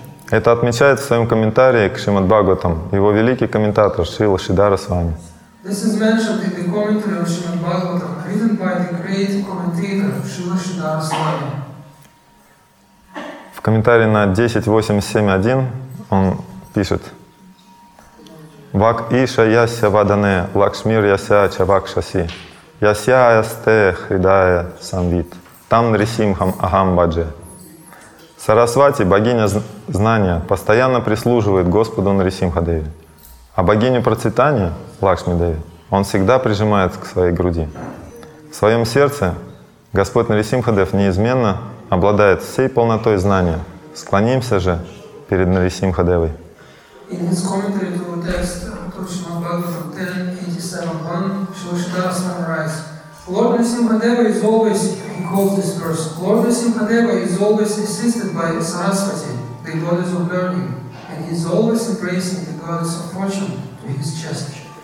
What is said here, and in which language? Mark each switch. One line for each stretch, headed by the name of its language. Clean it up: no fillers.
Russian: Это отмечает в своем комментарии к Шримад Бхагаватам его великий комментатор Шрила Шридхара с вами.
English: This is mentioned in the commentary of Shrimad Bhagavatam, written by the great commentator Shrila Shridhara Swami.
Russian: В комментарии на 10.87.1 он пишет:
Sanskrit: «Вак иша яся вадане, лакшмир яся чавакшаси, яся аясте хридая самвит, там нрисимхам агам бадже».
Russian: Сарасвати, богиня знания, постоянно прислуживает Господу Нарисимхадеве, а богиню процветания, Лакшмидеве, он всегда прижимает к своей груди. В своем сердце Господь Нарисимхадев неизменно обладает всей полнотой знания. Склонимся же перед Нарисимхадевой.
English: In his commentary to the text of Srimad Bhagavatam 10.87.1, Srila Shridhara Swami writes, Lord Nrisimhadeva is always, he quotes this verse, Lord Nrisimhadeva is always assisted by Sarasvati, the goddess of learning, and he is always embracing the goddess of fortune to his chest.